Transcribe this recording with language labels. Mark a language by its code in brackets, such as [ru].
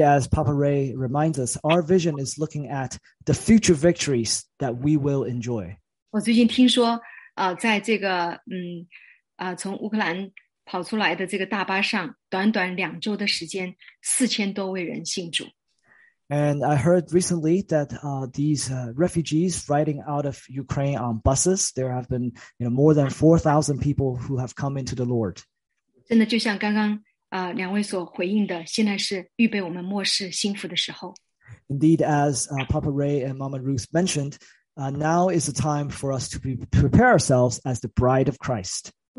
[en] as Papa Ray reminds us, our vision is looking at the future victories that we will enjoy. [zh] 我最近听说,在从乌克兰跑出来的这个大巴上,短短两周的时间,4000多位人信主。 [en] And I heard recently that these refugees riding out of Ukraine on buses, there have been more than 4,000 people who have come into the Lord. [zh] 真的就像刚刚两位所回应的,现在是预备我们末世幸福的时候。 [en] Indeed, as Papa Ray and Mama Ruth mentioned, now is the time for us to prepare ourselves as the bride of Christ.